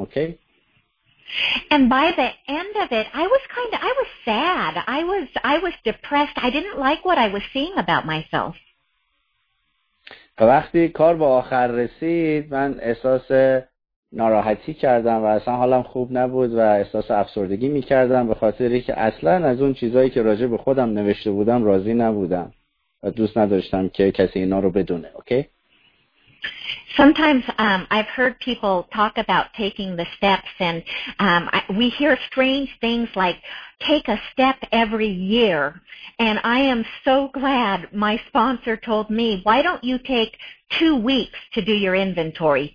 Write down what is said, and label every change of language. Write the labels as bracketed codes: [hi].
[fa] اوکی؟ [en] And by the end of it, I was sad. I was depressed. I didn't like what I was seeing about myself. [fa] وقتی کار به آخر رسید، من احساس ناراحتی کردم و اصلا حالم خوب نبود و احساس افسردگی می‌کردم به خاطر اینکه اصلا از اون چیزایی که راجع به خودم نوشته بودم راضی نبودم و دوست نداشتم که کسی اینا رو بدونه. اوکی؟ [en] Sometimes I've heard people talk about taking the steps, and we hear strange things like take a step every year, and I am so glad my sponsor told me, why don't you take 2 weeks to do your inventory?